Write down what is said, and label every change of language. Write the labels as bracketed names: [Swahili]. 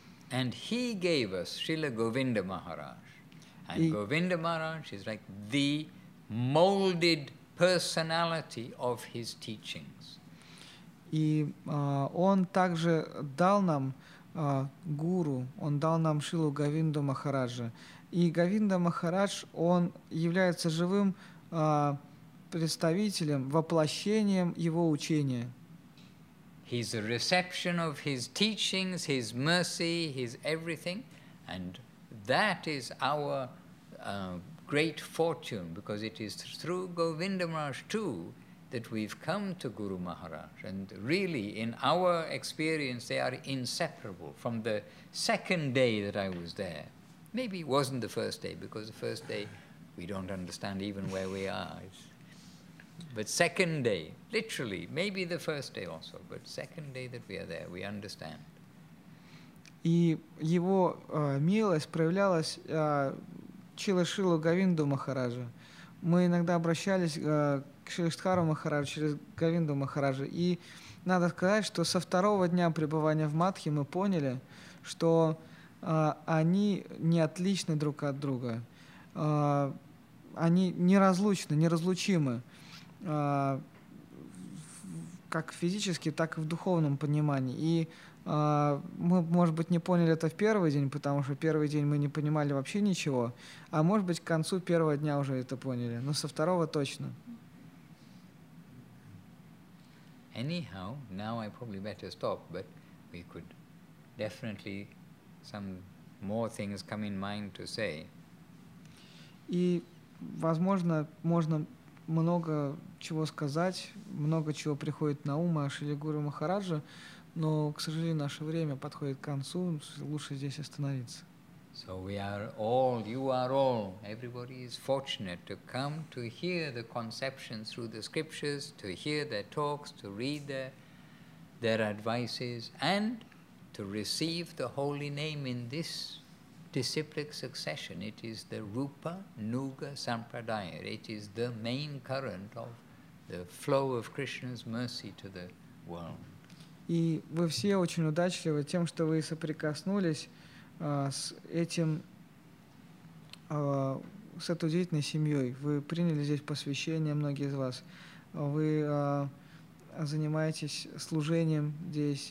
[English] And he gave us Srila Govinda Maharaj. And Govinda Maharaj is like the molded personality of his teachings. [Russian] И он также дал нам гуру, он дал нам Шрилу Говинду Махараджа. И Говинда Махарадж, он является живым представителем, воплощением его учения. [English] He's a reception of his teachings, his mercy, his everything. And that is our great fortune, because it is through Govinda Maharaj too that we've come to Guru Maharaj. And really, in our experience, they are inseparable from the second day that I was there. maybe it wasn't the first day, because the first day we don't understand even where we are. But second day, literally, maybe the first day also, but second day that we are there, we understand. [Russian] И его милость проявлялась через Шрилу Говинду Махараджа. Мы иногда обращались к Шриштхару Махараджу через Говинду Махараджа. И надо сказать, что со второго дня пребывания в Мадхи мы поняли, что они не отличны друг от друга. Они неразлучны, неразлучимы. Как физически, так и в духовном понимании. И мы, может быть, не поняли это в первый день, потому что первый день мы не понимали вообще ничего, а может быть, к концу первого дня уже это поняли, но со второго точно. [English] Anyhow, now I probably better stop, but we could definitely some more things come in mind to say. [Russian] И, возможно, можно много чего сказать, много чего приходит на ум о Шриле Гуру Махарадже, но, к сожалению, наше время подходит к концу, лучше здесь остановиться. [English] So we are all, you are all, everybody is fortunate to come to hear the conceptions through the scriptures, to hear their talks, to read their advices, and to receive the holy name in this disciplic succession. It is the Rupa Nuga Sampradaya. It is the main current of the flow of Krishna's mercy to the world. [Russian] И вы все очень удачливы тем, что вы соприкоснулись с этим, с этой удивительной семьей. Вы приняли здесь посвящение, многие из вас. Вы занимаетесь служением здесь.